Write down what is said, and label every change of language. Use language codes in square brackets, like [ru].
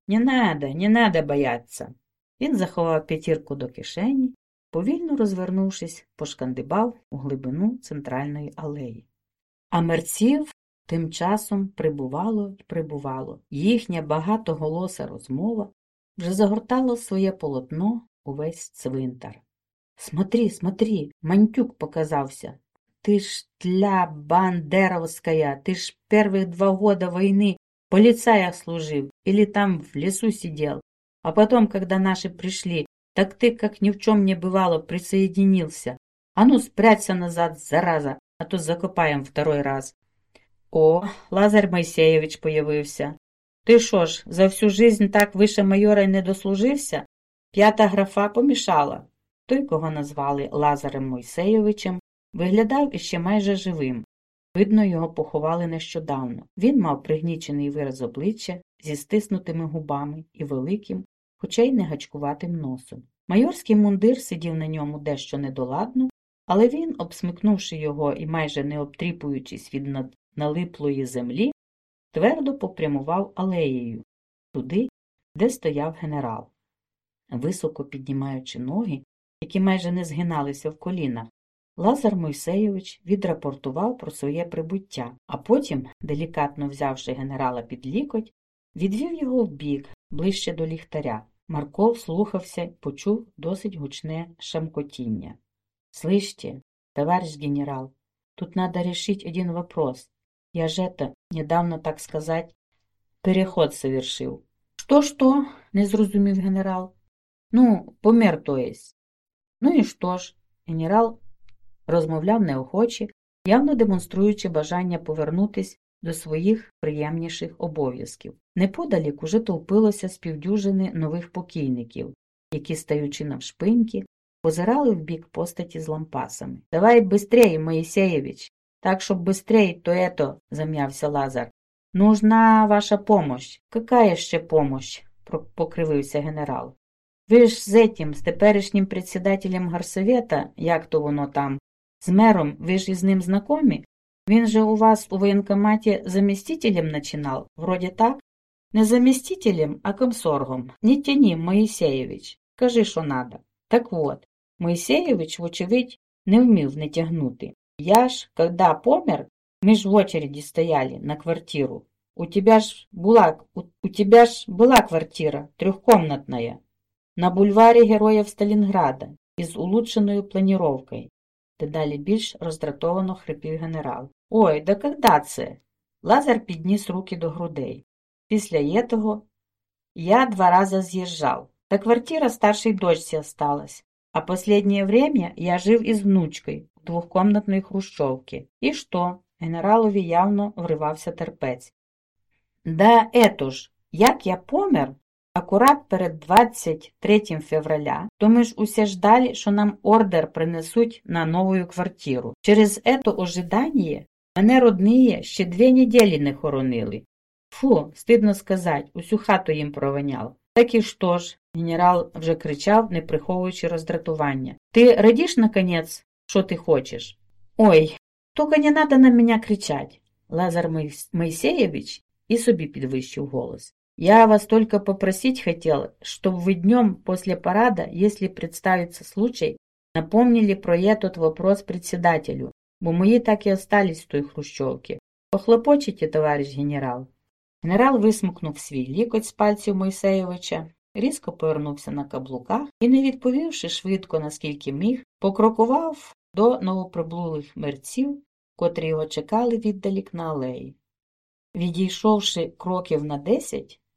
[ru] «Не надо бояться!» [uk] Він заховав п'ятірку до кишені, повільно розвернувшись, пошкандибав у глибину центральної алеї. А мерців тим часом прибувало і прибувало. Їхня багатоголоса розмова вже загортала своє полотно увесь цвинтар. [ru] «Смотри, смотри, Мантюк показався! [uk] Ти ж тля бандеровська, ти ж перших два года війни поліцая служив или там в лісу сидів. [ru] А потом, когда наши пришли, так ты, как ни в чем не бывало, присоединился. А ну, спрячься назад, зараза, а то закопаем второй раз». «О, Лазарь Моисеевич появился. Ты шо ж, за всю жизнь так выше майора не дослужився? [uk] П'ята графа помешала». Той, кого назвали Лазарем Моисеєвичем, виглядав іще майже живим. Видно, його поховали нещодавно. Він мав пригнічений вираз обличчя зі стиснутими губами і великим, хоча й не гачкуватим носом. Майорський мундир сидів на ньому дещо недоладно, але він, обсмикнувши його і майже не обтріпуючись від налиплої землі, твердо попрямував алеєю туди, де стояв генерал. Високо піднімаючи ноги, які майже не згиналися в колінах, Лазар Мойсеєвич відрапортував про своє прибуття, а потім, делікатно взявши генерала під лікоть, відвів його вбік, ближче до ліхтаря. Марко вслухався і почув досить гучне шамкотіння. [ru] «Слышьте, товариш генерал, тут надо рішити один вопрос. Я ж это, недавно, так сказати, переход совершив». «Что-что?» [uk] – не зрозумів генерал. «Ну, помер тоесть». «Ну і що ж?» – генерал розмовляв неохоче, явно демонструючи бажання повернутись до своїх приємніших обов'язків. Неподалік уже товпилося з півдюжини нових покійників, які, стаючи навшпиньки, позирали в бік постаті з лампасами. [ru] «Давай бистрей, Моїсеєвич! Так, щоб бистрей, то ето!» – зам'явся Лазар. «Нужна ваша помощь! Какая ще помощь?» – покривився генерал. [uk] «Ви ж з этим, з теперішнім председателем Гарсовета, як то воно там, з мером, ви ж із ним знакомі? Він же у вас у воєнкоматі заместителем начинал, вроде так? Не заместителем, а комсоргом. Не тяні, Моїсеєвич, кажи, що надо». Так от, Моїсеєвич, вочевидь, не вмів не тягнути. «Я ж, когда помер, ми ж в очереді стояли на квартиру. У тебя ж була квартира трьохкомнатная. На бульварі Героїв Сталінграда із улучшеною планіровкою». Дедалі більш роздратовано хрипів генерал. «Ой, да когда це?» Лазар підніс руки до грудей. «Після того я два рази з'їжджав. Та квартира старшій дочці осталась. А останнє время я жив із внучкою у двохкомнатної хрущовки». «І що?» Генералові явно вривався терпець. «Да ето ж, як я помер? Акурат перед 23 февраля, то ми ж усе ждали, що нам ордер принесуть на нову квартиру. Через ето ожидання мене родні ще дві неділі не хоронили. Фу, стидно сказати, усю хату їм провиняв». «Так і що ж», – генерал вже кричав, не приховуючи роздратування. «Ти радіш, наконець, що ти хочеш?» «Ой, тільки не надо на мене кричати», – Лазар Моїсеєвич і собі підвищив голос. [ru] «Я вас только попросить хотел, чтобы вы днем после парада, если представится случай, напомнили про этот вопрос председателю, бо мои так и остались в той хрущевке. Похлопочите, товарищ генерал». [uk] Генерал висмикнув свій лікоть з пальців Мойсеєвича, різко повернувся на каблуках і, не відповівши швидко, наскільки міг, покрокував до новоприбулих мерців, котрі його чекали віддалік на алеї. Відійшовши кроків на 10,